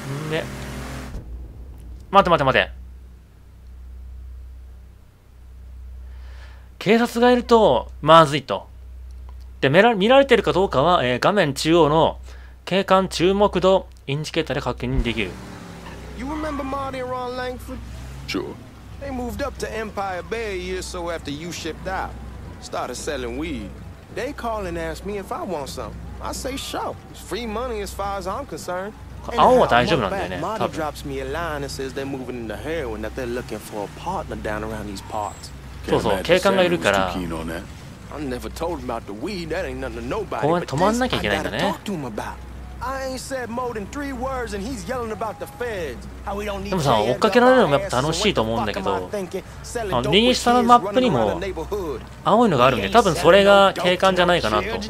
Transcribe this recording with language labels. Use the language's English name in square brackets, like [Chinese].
[Japanese] で、待て待て待て、警察がいるとまずいと。で、見られてるかどうかは、画面中央の警官注目度インジケーターで確認できる。 [English] You remember Marty and Ron Langford? Sure. They moved up to Empire Bay a year so after you shipped out. Started selling weed. They call and ask me if I want some. I say sure. It's free money as far as I'm concerned. [Japanese] 青は大丈夫なんだよね。 [English] Marty drops me a line and says they're moving into heroin that they're looking for a partner down around these parts. [Japanese] そうそう、警官がいるから。ここは止まんなきゃいけないんだね。でもさ、追っかけられるのもやっぱ楽しいと思うんだけど、あの右下のマップにも青いのがあるんで、多分それが警官じゃないかなと。